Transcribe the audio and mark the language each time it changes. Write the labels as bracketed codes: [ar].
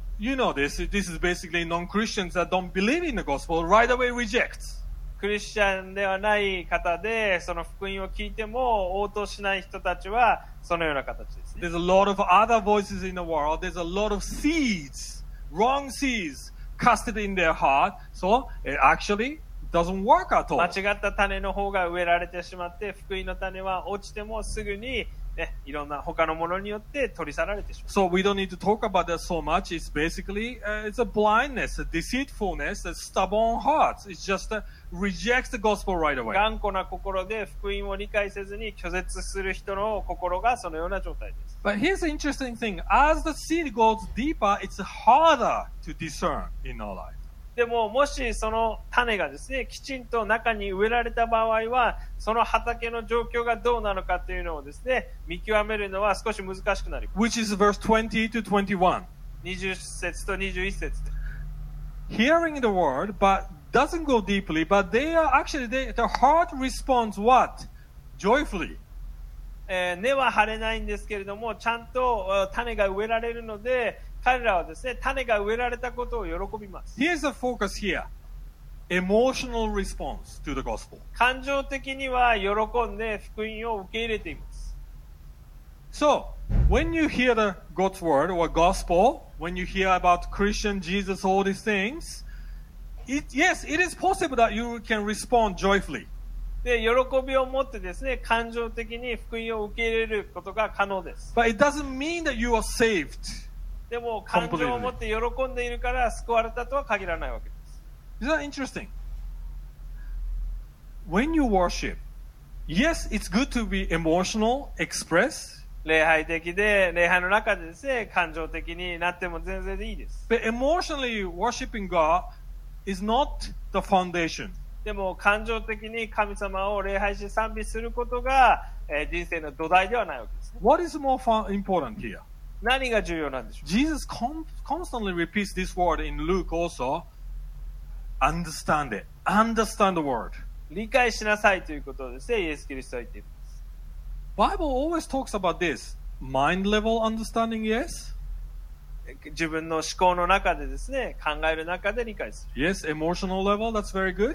[en] You know this. This is basically non-Christians that don't believe in the gospel right away reject. [ja] クリスチャンではない方で、その福音を聞いても応答しない人たちは、そのような形ですね。 [en] There's a lot of other voices in the world. There's a lot of seeds, wrong seeds, casted in their heart. So, actually, doesn't work at all. [ja] 間違った種の方が植えられてしまって、福音の種は落ちてもすぐに、ね、いろんな他のものによって取り去られてしまう。 [en] So we don't need to talk about that so much. It's basically, it's a blindness, a deceitfulness, a stubborn heart. It's just reject the gospel right away. [ja] 頑固な心で福音を理解せずに拒絶する人の心がそのような状態です。 [en] But here's the interesting thing. As the seed goes deeper, it's harder to discern in our life. [ja] でももしその種がですねきちんと中に植えられた場合はその畑の状況がどうなのかというのをですね見極めるのは少し難しくなります。 [en] Which is verse 20 to 21 [ja] 20節と21節。 [en] Hearing the word but doesn't go deeply, but they are actually they, the heart responds what? Joyfully、 [ja] 根は張れないんですけれどもちゃんと種が植えられるので彼らはですね、種が植えられたことを喜びます。 [en] Here's the focus here. Emotional response to the gospel. [ja] 感情的には喜んで福音を受け入れています。 [en] So, when you hear the God's word or gospel, when you hear about Christian, Jesus, all these things, it is possible that you can respond joyfully. [ja] で、喜びを持ってですね、感情的に福音を受け入れることが可能です。 [en] But it doesn't mean that you are saved. [ja] でも感情を持って喜んでいるから救われたとは限らないわけです。 [en] Isn't that interesting? When you worship, yes, it's good to be emotional, express. [ja] 礼拝的で、礼拝の中でですね、感情的になっても全然いいです。 [en] But emotionally worshiping God is not the foundation. [ja] でも感情的に神様を礼拝し賛美することが、人生の土台ではないわけです。 [en] What is more important here? [ja] 何が重要なんでしょう? [en] Jesus constantly repeats this word in Luke also. Understand it. Understand the word. [ja] 理解しなさいということですね。イエス・キリストは言っています。 [en] Bible always talks about this. Mind level understanding, yes? [ja] 自分の思考の中でですね、考える中で理解する。 [en] Yes, emotional level, that's very good.